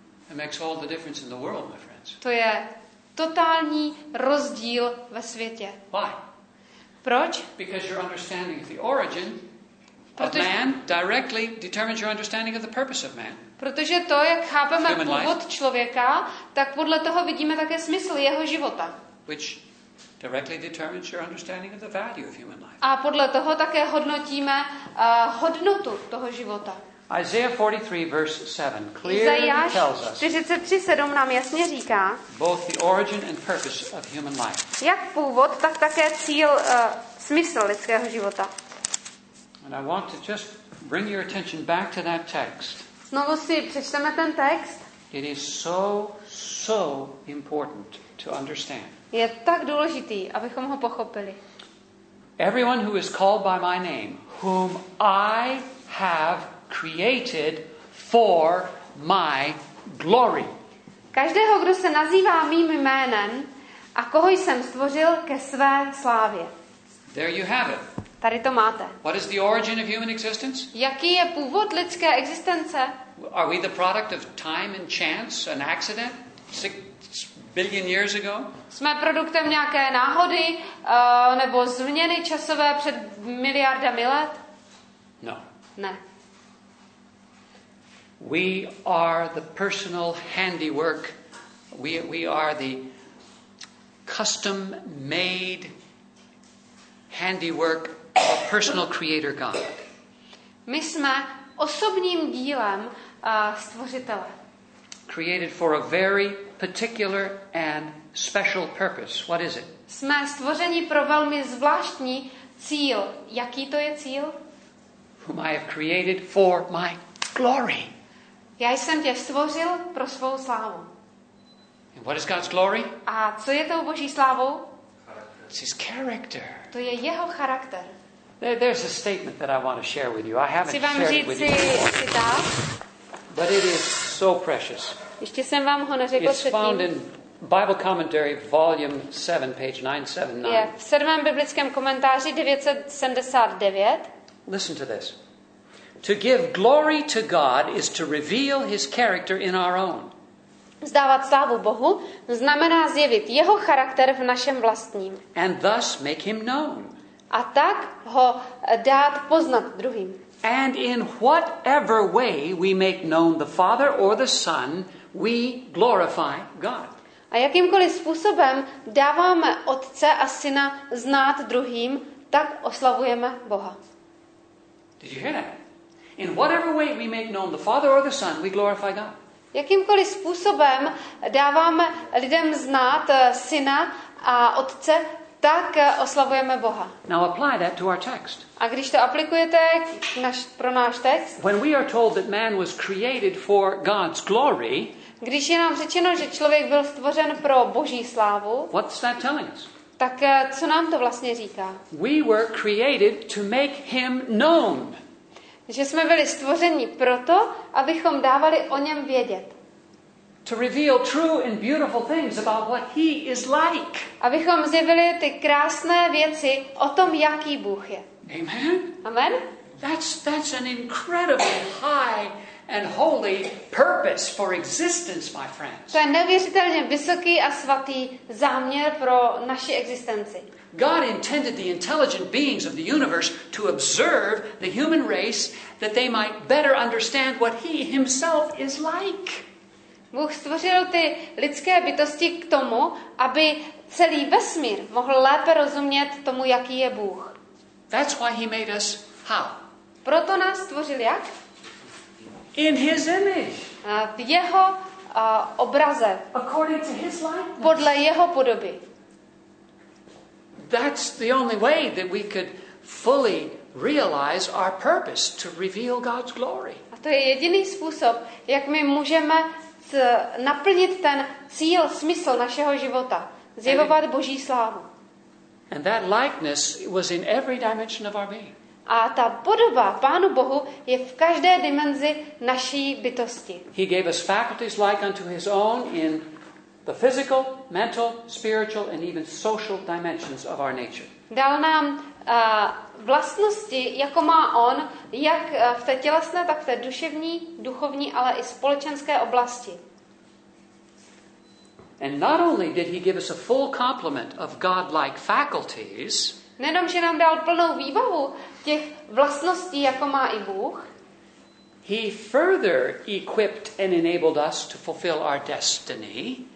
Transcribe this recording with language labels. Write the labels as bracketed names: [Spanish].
[English] It makes all the difference in the world, my friends. [Czech] To je totální rozdíl ve světě. [English] Why? [Czech] Proč? [English] Because your understanding of the origin of man directly determines your understanding of the purpose of man. [Czech] Protože to, jak chápeme původ člověka, tak podle toho vidíme také smysl jeho života. [English] Which directly determines your understanding of the value of human life. [Czech] A podle toho také hodnotíme hodnotu toho života. [English] Isaiah 43 verse 7 clearly tells us. [Czech] 43:7 nám jasně říká. [English] Both the origin and purpose of human life. [Czech] Jak původ, tak také cíl, smysl lidského života. [English] And I want to just bring your attention back to that text. [Czech] Znovu si přečteme ten text. [English] It is so, so important to understand. [Czech] Je tak důležitý, abychom ho pochopili. [English] Everyone who is called by my name, whom I have created for my glory. [Czech] Každého, kdo se nazývá mým jménem a koho jsem stvořil ke své slávě. [English] There you have it. [Czech] Tady to máte. [English] What is the origin of human existence? [Czech] Jaký je původ lidské existence? [English] Are we the product of time and chance, an accident, 6 billion years ago? [Czech] Jsme produktem nějaké náhody nebo změny časové před miliardami let? [English] No. [Czech] Ne. [English] We are the personal handiwork. We are the custom-made handiwork our personal creator God. [Czech] My jsme osobním dílem stvořitele. [English] Created for a very particular and special purpose. What is it? [Czech] Jsme stvořeni pro velmi zvláštní cíl. Jaký to je cíl? [English] Whom I have created for my glory. [Czech] Já jsem tě stvořil pro svou slávu. [English] And what is God's glory? [Czech] A co je tou Boží slávou? [English] It's his character. [Czech] To je jeho charakter. [English] There's a statement that I want to share with you. I haven't shared it with you before. But it is so precious. [Czech] Ještě jsem vám ho neřekl předtím. [English] It's found in Bible Commentary, volume 7, page 979. [Czech] Je v 7. biblickém komentáři 979. [English] Listen to this. To give glory to God is to reveal his character in our own. [Czech] Vzdávat slávu Bohu znamená zjevit jeho charakter v našem vlastním. [English] And thus make him known. [Czech] A tak ho dát poznat druhým. [English] And in whatever way we make known the Father or the Son, we glorify God. [Czech] A jakýmkoliv způsobem dáváme Otce a Syna znát druhým, tak oslavujeme Boha. [English] Did you hear that? In whatever way we make known the Father or the Son, we glorify God. [Czech] Jakýmkoliv způsobem dáváme lidem znát Syna a Otce, tak oslavujeme Boha. [English] Now apply that to our text. [Czech] A když to aplikujete pro náš text, [English] when we are told that man was created for God's glory, [Czech] když je nám řečeno, že člověk byl stvořen pro Boží slávu, [English] what's that telling us? [Czech] Tak co nám to vlastně říká? [English] We were created to make him known. [Czech] Že jsme byli stvořeni proto, abychom dávali o něm vědět. [English] To reveal true and beautiful things about what he is like. [Czech] Abychom zjevili ty krásné věci o tom, jaký Bůh je. [English] Amen. [Czech] Amen. [English] That's an incredible high and holy purpose for existence, my friends. [Czech] To je neuvěřitelně vysoký a svatý záměr pro naši existenci. [English] God intended the intelligent beings of the universe to observe the human race that they might better understand what he himself is like. [Czech] Bůh stvořil ty lidské bytosti k tomu, aby celý vesmír mohl lépe rozumět tomu, jaký je Bůh. [English] That's why he made us how? [Czech] Proto nás stvořil jak? [English] In his image. [Czech] V jeho obraze. [English] According to his likeness. [Czech] Podle jeho podoby. [English] That's the only way that we could fully realize our purpose to reveal God's glory. [Czech] A to je jediný způsob, jak my můžeme naplnit ten cíl, smysl našeho života, zjevovat Boží slávu. [English] And that likeness was in every dimension of our being. [Czech] A ta podoba Pánu Bohu je v každé dimenzi naší bytosti. [English] He gave us faculties like unto his own in the physical, mental, spiritual and even social dimensions of our nature. [Czech] Dal nám vlastnosti, jako má on, jak v té tělesné, tak v té duševní, duchovní, ale i společenské oblasti. [English] And not only did he give us a full complement of godlike faculties, [Czech] nejenom, že nám dal plnou výbavu těch vlastností, jako má i Bůh, [English] he further equipped and enabled us to fulfill our destiny,